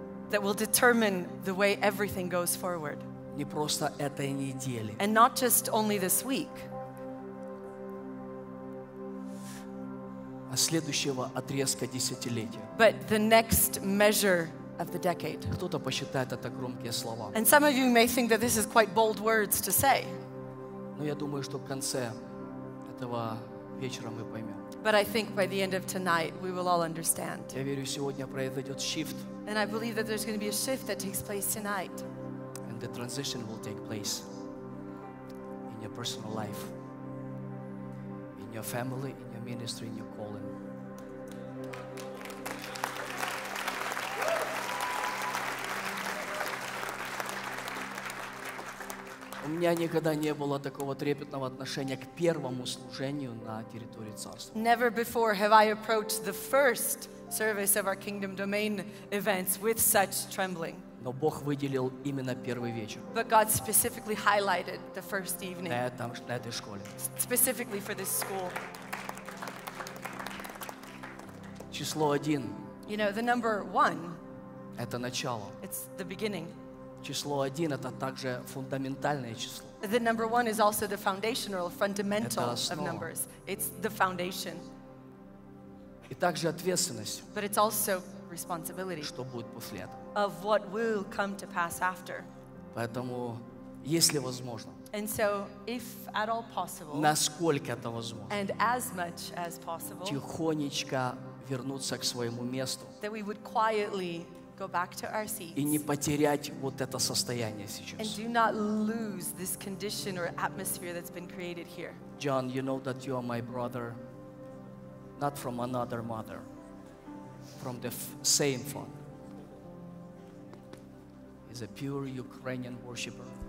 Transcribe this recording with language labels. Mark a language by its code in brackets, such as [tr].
[en] That will determine the way everything goes forward. [ru] Не просто этой недели. [en] And not just only this week. [ru] А следующего отрезка десятилетия. [en] But the next measure of the decade. [ru] Кто-то посчитает это громкие слова. [en] And some of you may think that this is quite bold words to say. [ru] Но я думаю, что в конце этого вечера мы поймем. [en] But I think by the end of tonight we will all understand. [ru] Я верю, сегодня произойдет shift. [en] And I believe that there's going to be a shift that takes place tonight. And the transition will take place in your personal life, in your family, in your ministry, in your calling. [ru] У меня никогда не было такого трепетного отношения к первому служению на территории Царства. [en] Never before have I approached the first service of our Kingdom Domain events with such trembling. [ru] Но Бог выделил именно первый вечер. [en] But God specifically highlighted the first evening. [ru] На этой школе. [en] Specifically for this school. [ru] Число один. [en] You know, the number one. [ru] Это начало. [en] It's the beginning. [ru] Число один — это также фундаментальное число. [en] The number one is also the foundational, fundamental of numbers. It's the foundation. [ru] И также ответственность. [en] But it's also responsibility. [ru] Что будет после этого? [en] Of what will come to pass after. [ru] Поэтому, если возможно. [en] And so, if at all possible. [ru] Насколько это возможно. [en] And as much as possible. [ru] Тихонечко вернуться к своему месту. [en] That we would quietly go back to our seats. [ru] И не потерять вот это состояние сейчас. [en] And do not lose this condition or atmosphere that's been created here. John, you know that you are my brother. Not from another mother, from the same father. He's a pure Ukrainian worshiper.